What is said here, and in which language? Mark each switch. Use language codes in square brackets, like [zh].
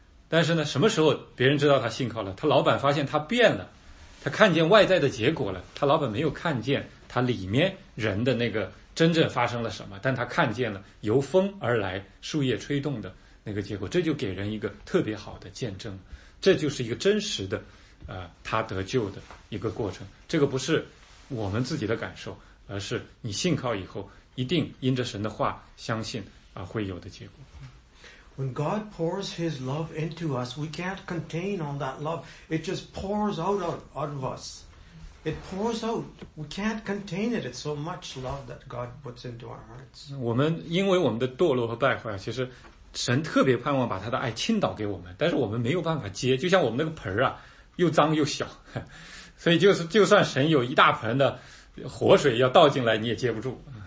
[zh] 但是呢什么时候别人知道他信靠了他老板发现他变了他看见外在的结果了他老板没有看见他里面人的那个真正发生了什么但他看见了由风而来树叶吹动的那个结果这就给人一个特别好的见证这就是一个真实的他得救的一个过程这个不是我们自己的感受而是你信靠以后一定因着神的话相信啊会有的结果 [en] When God pours His love into us, we can't contain all that love. It just pours out of us. It pours out. We can't contain it. It's so much love that God puts into our hearts. [zh] 我们因为我们的堕落和败坏，其实神特别盼望把他的爱倾倒给我们，但是我们没有办法接。就像我们那个盆啊，又脏又小，所以就算神有一大盆的活水要倒进来，你也接不住。